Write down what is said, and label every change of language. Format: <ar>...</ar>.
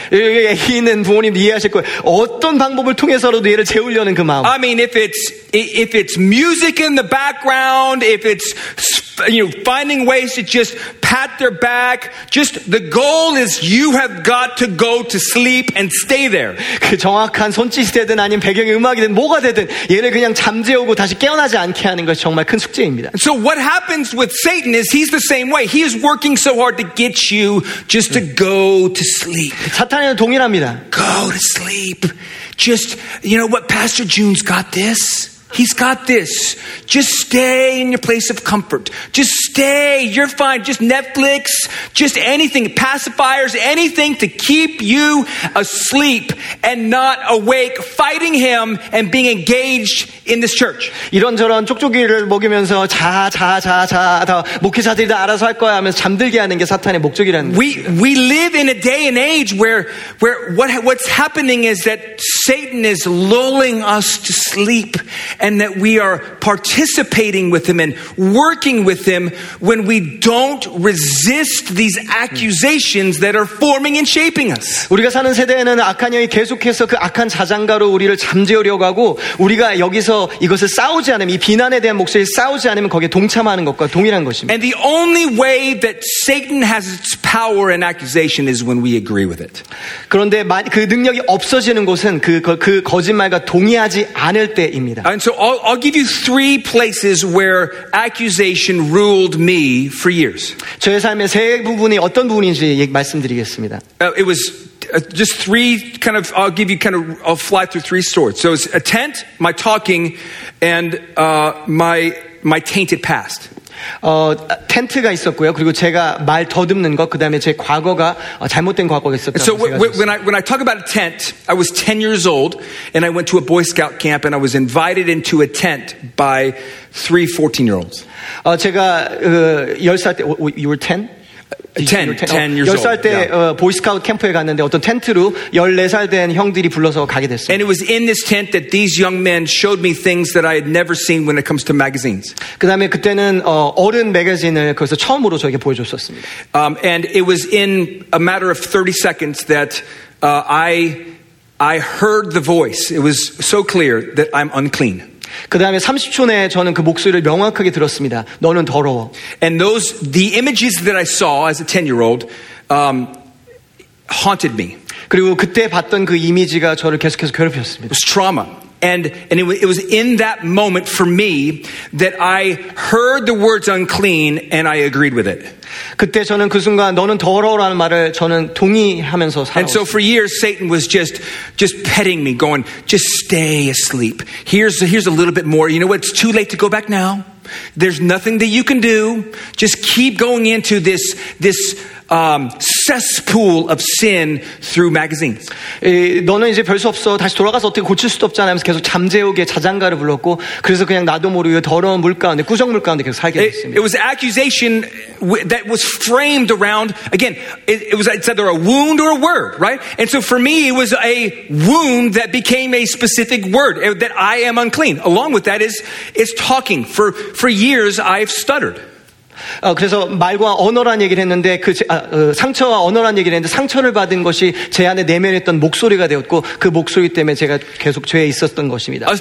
<ko>있는 부모님도 이해하실 거예요. 어떤 방법을 통해서라도 애를 재우려는 그 마음.</ko> <en>I mean, if it's music in the background, if it's finding ways to just pat their back, just the goal is you have got to go to sleep and stay there.</en> <ko>그 정확한 손짓이든 아니면 배경의 음악이든 뭐가 되든 얘를 그냥 잠재우고 다시 깨어나지 않게 하는 것이 정말 큰 숙제입니다.</ko> <en>So what happens with Satan is he's the same way. He is working so hard to get you just to go to sleep.</en> <ko>사탄이랑 동일합니다.</ko> <en>Go to sleep. Just, you know what, Pastor June's got this. He's got this. Just stay in your place of comfort. Just stay. You're fine. Just Netflix. Just anything. Pacifiers. Anything to keep you asleep and not awake, fighting him and being engaged in this church.</en> <ko>이런저런 쪽쪽이를 먹이면서 자, 목회자들이 다 알아서 할 거야 하면서 잠들게 하는 게 사탄의 목적이라는 거예요.</ko> <en>We live in a day and age where what's happening is that Satan is lulling us to sleep. And that we are participating with him and working with him when we don't resist these accusations that are forming and shaping us.</en> <ko>우리가 사는 세대에는 악한 영이 계속해서 그 악한 자장가로 우리를 잠재우려고 하고 우리가 여기서 이것을 싸우지 않으면 이 비난에 대한 목소리를 싸우지 않으면 거기에 동참하는 것과 동일한 것입니다.</ko> <en>And the only way that Satan has its power in accusation is when we agree with it.</en> <ko>그런데 그 능력이 없어지는 곳은 그 거짓말과 동의하지 않을 때입니다.</ko> <en>And so I'll give you three places where accusation ruled me for years.</en> <ko>저의 삶의 세 부분이 어떤 부분인지 말씀드리겠습니다.</ko> <en>It was just three kind of, I'll give you kind of, I'll fly through three stories. So it's a tent, my talking, and my tainted past.</en> <ko>텐트가 있었고요. 그리고 제가 말 더듬는 것, 그다음에 제 과거가 잘못된 과거가 있었다고</ko> <en>so</en> <ko>생각해요.</ko> <en>So when I talk about a tent, I was 10 years old and I went to a Boy Scout camp and I was invited into a tent by three 14-year-olds.</en> <ko>제가 10살 때</ko> <en>you were 10? 10 years old.</en> <ko>때 보이스카우트 캠프에 갔는데 어떤 텐트로 14살 된 형들이 불러서 가게 됐어요.</ko> <en>And it was in this tent that these young men showed me things that I had never seen when it comes to magazines.</en> <ko>그다음에 그때는 어른 매거진을 거기서 처음으로 저에게 보여줬었습니다.</ko> <en>And it was in a matter of 30 seconds that I heard the voice. It was so clear that I'm unclean.</en> <ko>그다음에 30초 내에 저는 그 목소리를 명확하게 들었습니다. 너는 더러워.</ko> <en>And those the images that I saw as a 10-year-old haunted me.</en> <ko>그리고 그때 봤던 그 이미지가 저를 계속해서 괴롭혔습니다.</ko> <en>It was trauma. And it was in that moment for me that I heard the words unclean and I agreed with it.</en> <ko>그때 저는 그 순간 너는 더러워라는 말을 저는 동의하면서 살았어요.</ko> <en>And so for years Satan was just petting me, going, just stay asleep. Here's a little bit more. You know what? It's too late to go back now. There's nothing that you can do. Just keep going into this cesspool of sin through magazines.</en> <ko>너는 이제 별수 없어. 다시 돌아가서 어떻게 고칠 수도 없잖아요. 계속 잠재우게 자장가를 불렀고 그래서 그냥 나도 모르게 더러운 물 가운데 꾸정 물 가운데 계속 살게 됐습니다.</ko> <en>It was accusation that was framed around again. It's either a wound or a word, right? And so for me, it was a wound that became a specific word that I am unclean. Along with that is talking. For years, I've stuttered.</en> <ko>그래서 말과 언어란 얘기를 했는데 상처와 언어란 얘기를 했는데 상처를 받은 것이 제 안에 내면했던 목소리가 되었고 그 목소리 때문에 제가 계속 죄에 있었던 것입니다.</ko>